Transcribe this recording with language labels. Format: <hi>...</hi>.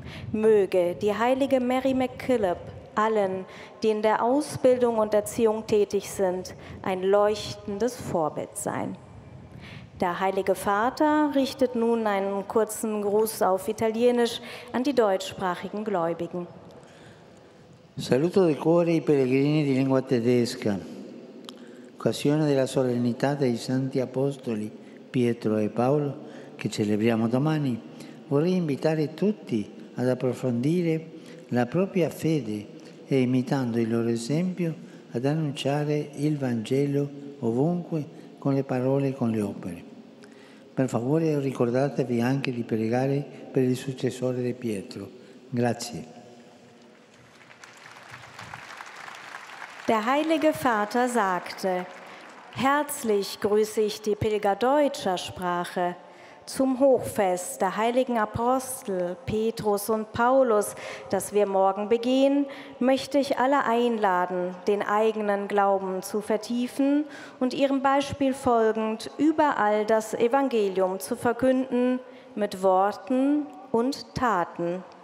<de>Möge die heilige Mary MacKillop allen, die in der Ausbildung und Erziehung tätig sind, ein leuchtendes Vorbild sein. Der Heilige Vater richtet nun einen kurzen Gruß auf Italienisch an die deutschsprachigen Gläubigen.</de> <it>Saluto del cuore i pellegrini di lingua tedesca. Occasione della solennità dei Santi Apostoli Pietro e Paolo, che celebriamo domani, vorrei invitare tutti ad approfondire la propria fede e, imitando il loro esempio, ad annunciare il Vangelo ovunque con le parole e con le opere. Per favore, ricordatevi anche di pregare per il successore di Pietro. Grazie.</it> <de>Der Heilige Vater sagte: Herzlich grüße ich die Pilger deutscher Sprache. Zum Hochfest der heiligen Apostel Petrus und Paulus, das wir morgen begehen, möchte ich alle einladen, den eigenen Glauben zu vertiefen und ihrem Beispiel folgend überall das Evangelium zu verkünden, mit Worten und Taten.</de>